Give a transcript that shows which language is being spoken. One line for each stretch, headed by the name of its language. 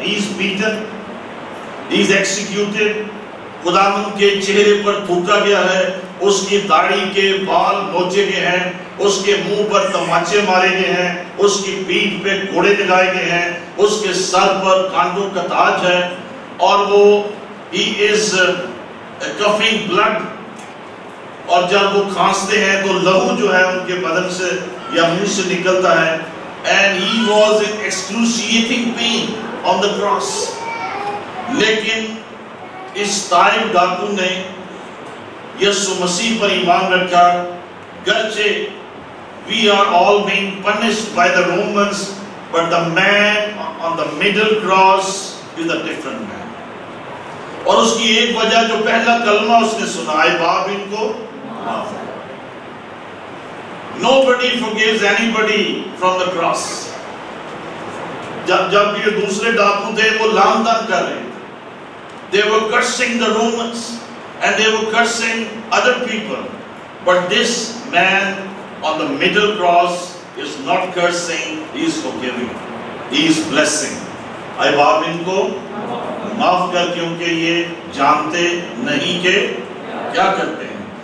English: He is beaten, he is executed,
Urdu: خدا من کے چہرے پر تھوکا گیا ہے, اس کی داڑھی کے بال نوچے گئے ہیں, اس کے منہ پر تماچے مارے گئے ہیں, اس کی پیٹھ پہ گھوڑے لگائے گئے ہیں, اس کے سر پر کانٹوں کا تاج ہے, اور وہ
English: he is coughing blood.
Urdu: اور جب وہ کھانستے ہیں تو لہو جو ہے ان کے بدن سے یا منہ سے نکلتا ہے.
English: And he was in excruciating pain on the cross.
Urdu: لیکن اس تائب ڈاکو نے یسوع مسیح پر ایمان رکھا, گرچہ
English: we are all being punished by the Romans, but the man on the middle cross is a different man.
Urdu: اور اس کی ایک وجہ جو پہلا کلمہ اس نے سنا, اے باپ ان کو معاف کر.
English: Nobody forgives anybody from the cross.
Urdu: جب یہ دوسرے ڈاکو تھے وہ لام دم کر رہے تھے,
English: they were cursing the Romans, and they were cursing other people. But this man on the middle cross is not cursing, he is forgiving, he is blessing.
Urdu: I baap inko maaf kar kyunki ye jante nahi ke kya karte hain.